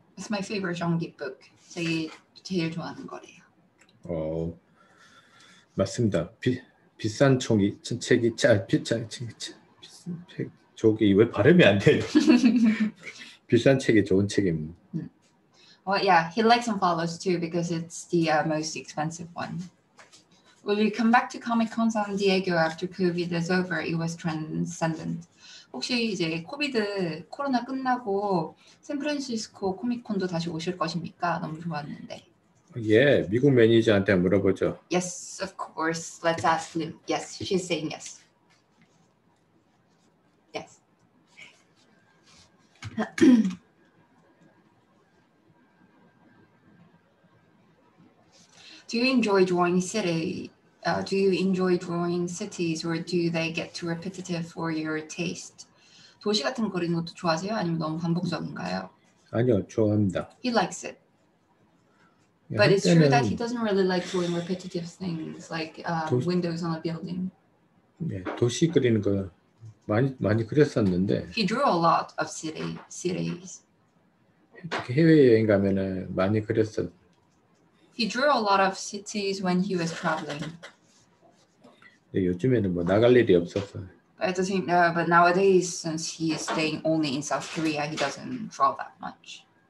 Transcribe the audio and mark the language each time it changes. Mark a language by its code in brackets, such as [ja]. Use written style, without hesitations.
[en] 마이 페이버 [ko] 정기 북 제일 좋아하는 거래요. 맞습니다. 비싼 종이 책이 저기 왜 발음이 안 돼요? 비싼 책이 좋은 책입니다. [en] Well, yeah, he likes and follows too because it's the most expensive one. Will you come back to Comic Con San Diego after COVID is over? It was transcendent. [ko] 혹시 이제 코비드 코로나 끝나고 샌프란시스코 코믹콘도 다시 오실 것입니까? 너무 좋았는데. 예, 미국 매니저한테 물어보죠. [en] Yes, of course. Let's ask him. Yes, she's saying yes. Yes. Do you enjoy drawing city? Do you enjoy drawing cities or do they get too repetitive for your taste? [ko] 도시 같은 거 그리는 것도 좋아하세요? 아니면 너무 반복적인가요? 아니요, 좋아합니다. [en] He likes it. But it's true that he doesn't really like doing repetitive things like windows on a building. [ko] 네, 도시 그리는 거 많이 그렸었는데. [en] He drew a lot of cities. [ko] 해외 여행 가면은 많이 그렸었. [en] He drew a lot of cities when he was traveling. [ko] 네, 요즘에는 뭐 나갈 일이 없어서. [en] But, but nowadays, since he is staying only in South Korea, he doesn't draw that much.